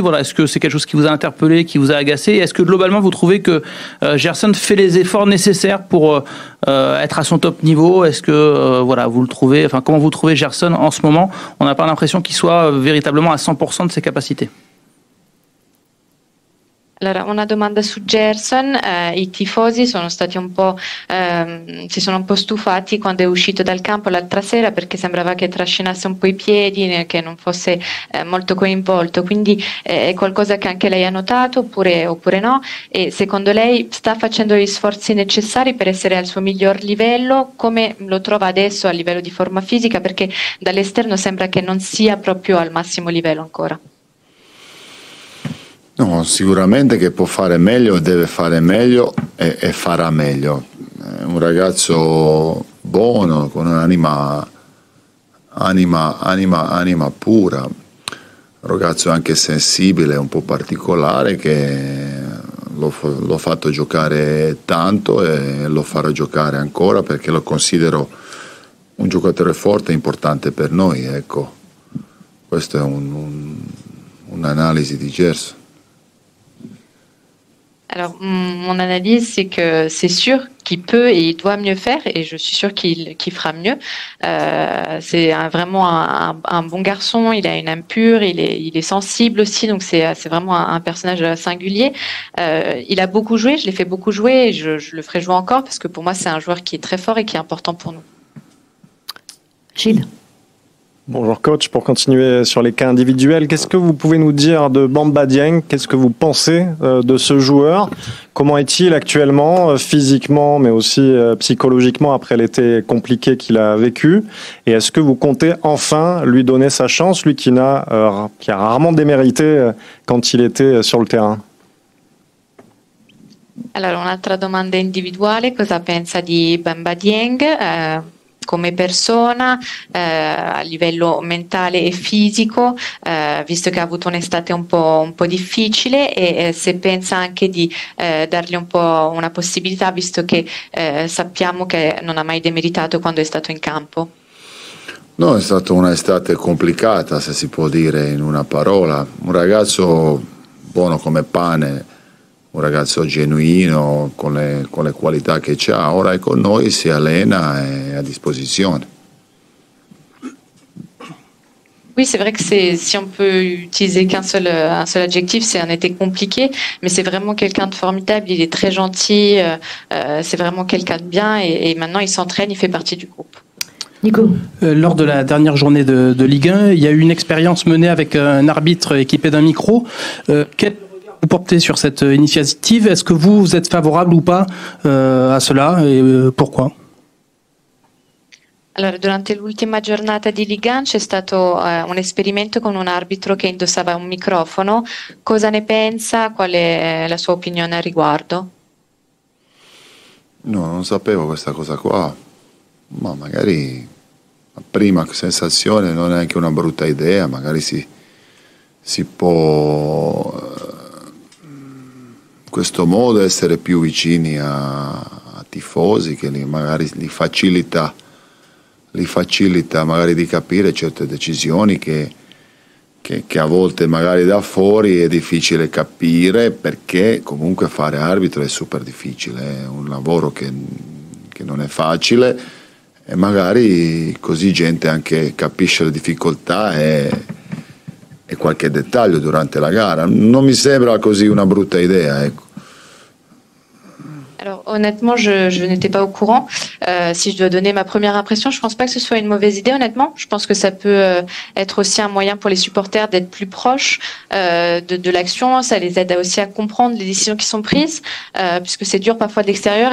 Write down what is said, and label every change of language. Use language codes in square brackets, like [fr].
[fr] Voilà, est-ce que c'est quelque chose qui vous a interpellé, qui vous a agacé ? Est-ce que globalement, vous trouvez que Gerson fait les efforts nécessaires pour être à son top niveau ? Est-ce que vous le trouvez ? Enfin, comment vous trouvez Gerson en ce moment ? On n'a pas l'impression qu'il soit véritablement à 100% de ses capacités. [it] Allora, una domanda su Gerson. I tifosi sono stati un po', si sono un po' stufati quando è uscito dal campo l'altra sera, perché sembrava che trascinasse un po' i piedi, che non fosse molto coinvolto. Quindi è qualcosa che anche lei ha notato oppure no? E secondo lei sta facendo gli sforzi necessari per essere al suo miglior livello? Come lo trova adesso a livello di forma fisica? Perché dall'esterno sembra che non sia proprio al massimo livello ancora. No, sicuramente che può fare meglio, deve fare meglio e farà meglio. È un ragazzo buono, con un'anima pura, un ragazzo anche sensibile, un po' particolare, che l'ho fatto giocare tanto e lo farò giocare ancora, perché lo considero un giocatore forte e importante per noi, ecco. Questo è un'analisi di Gerson. [fr] Alors, mon analyse, c'est que c'est sûr qu'il peut et il doit mieux faire, et je suis sûre qu'il fera mieux. C'est vraiment un bon garçon, il a une âme pure, il est sensible aussi, donc c'est vraiment un personnage singulier. Il a beaucoup joué, je l'ai fait beaucoup jouer, et je le ferai jouer encore, parce que pour moi, c'est un joueur qui est très fort et qui est important pour nous. Gilles. Bonjour coach, pour continuer sur les cas individuels, qu'est-ce que vous pouvez nous dire de Bamba Dieng ? Qu'est-ce que vous pensez de ce joueur ? Comment est-il actuellement, physiquement, mais aussi psychologiquement, après l'été compliqué qu'il a vécu ? Et est-ce que vous comptez enfin lui donner sa chance, lui qui a rarement démérité quand il était sur le terrain ? Alors, une autre demande individuelle, qu'est-ce que vous pensez de Bamba Dieng ? [it] come persona, a livello mentale e fisico, visto che ha avuto un'estate un po' difficile, e se pensa anche di dargli un po' una possibilità, visto che sappiamo che non ha mai demeritato quando è stato in campo. No, è stata un'estate complicata, se si può dire in una parola. Un ragazzo buono come pane, un ragazzo genuino, con le qualità che c'ha. Ora è con noi, si allena e è a disposizione. [fr] Oui, c'est vrai que si on peut utiliser qu'un seul adjectif, c'est un été compliqué, mais c'est vraiment quelqu'un de formidable, il est très gentil, c'est vraiment quelqu'un de bien, et maintenant il s'entraîne, il fait partie du groupe. Nico. Lors de la dernière journée de Ligue 1, il y a eu une expérience menée avec un arbitre équipé d'un micro. Quel regard vous portez sur cette initiative? Est-ce que vous êtes favorable ou pas à cela, et pourquoi? [it] Allora, durante l'ultima giornata di Ligue 1 c'è stato un esperimento con un arbitro che indossava un microfono. Cosa ne pensa? Qual è la sua opinione al riguardo? No, non sapevo questa cosa qua. Ma magari la prima sensazione non è anche una brutta idea, magari si può in questo modo essere più vicini a tifosi, che magari li facilita magari di capire certe decisioni che a volte magari da fuori è difficile capire, perché comunque fare arbitro è super difficile, è un lavoro che non è facile. E magari così gente anche capisce le difficoltà e qualche dettaglio durante la gara. Non mi sembra così una brutta idea, ecco. [fr] Alors honnêtement, je n'étais pas au courant. Si je dois donner ma première impression, je ne pense pas que ce soit une mauvaise idée, honnêtement. Je pense que ça peut être aussi un moyen pour les supporters d'être plus proches de l'action. Ça les aide aussi à comprendre les décisions qui sont prises, puisque c'est dur parfois de l'extérieur.